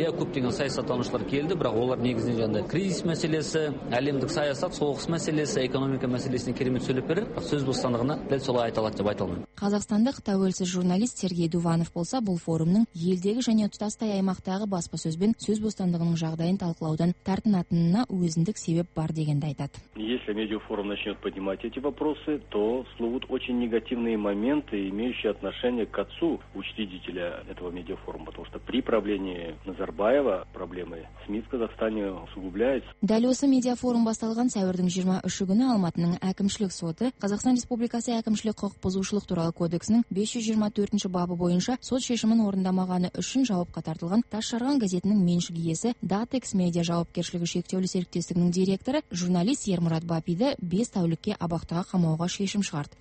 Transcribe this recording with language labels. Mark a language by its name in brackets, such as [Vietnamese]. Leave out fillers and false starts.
[Kazakh] Иә, көптеген саясаттанушылар келді, бірақ олар негізінен жандай кризис мәселесі, әлемдік саясат, соғыс мәселесі, экономика мәселесіне керемет сөйлеп берді, сөз бостандығына дәл солай айта алады деп айта алмаймын. Қазақстандық тәуелсіз журналист Сергей Дуванов болса, бұл форумның елдегі және тұтастай аймақтағы баспасөз бен сөз бостандығының жағдайын талқылаудан тартынатынына өзіндік себеп бар дегенді айтады. [Russian] Если медиафорум начнет поднимать эти вопросы, то всплывут очень негативные моменты, имеющие отношение к отцу учредителя этого медиафорума, потому что при правлении Назарбаева проблемы СМИ в Казахстане усугубляются. [Kazakh] Дәл осы медиафорум басталған сәуірдің 23 күні Алматының әкімшілік соты Қазақстан Республикасы әкімшілік құқық бұзушылық туралы кодексінің 524-ші бабы бойынша сот шешімін орындамағаны үшін жауапқа тартылған Тасжарған газетінің меншік иесі Датекс медиа жауапкершілігі шектеулі серіктестігінің директоры журналист Ермұрат Бапиді 5 тәулікке абақтыға қамауға шешім шығарды.